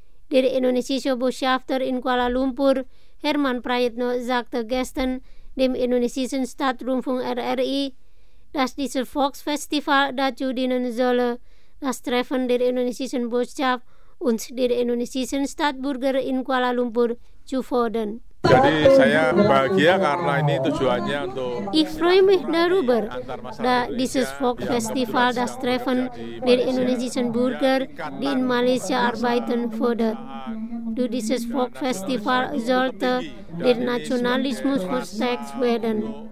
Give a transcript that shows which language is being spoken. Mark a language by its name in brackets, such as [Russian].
[German] Der indonesische Botschafter in Kuala Lumpur, Herman Prayetno, sagte gestern dem indonesischen Stadtrundfunk RRI, dass dieses Volksfestival dazu dienen solle, das Treffen der indonesischen Botschaft und der indonesischen Stadtbürger in Kuala Lumpur zu fordern. [Indonesian] Jadi saya bahagia karena ini tujuannya untuk. [German] Ich freue mich darüber, dass dieses Folkfestival das Treffen der indonesischen Bürger, die in Malaysia arbeiten, fördert. Durch dieses Folkfestival sollte der Nationalismus verstärkt werden.